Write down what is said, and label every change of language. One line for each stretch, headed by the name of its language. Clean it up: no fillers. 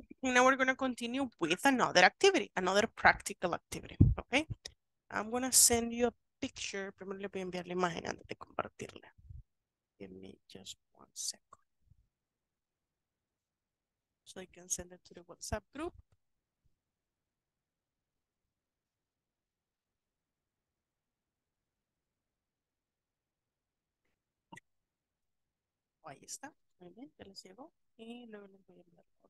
English: Now we're going to continue with another activity, another practical activity. Okay? I'm going to send you a picture.
Spanish: Primero le voy a enviar la imagen antes de compartirla.
English: Give me just one second. So I can send it to the WhatsApp group.
Spanish: Oh, ahí está. Muy bien, ya les llegó. Y luego les voy a enviar.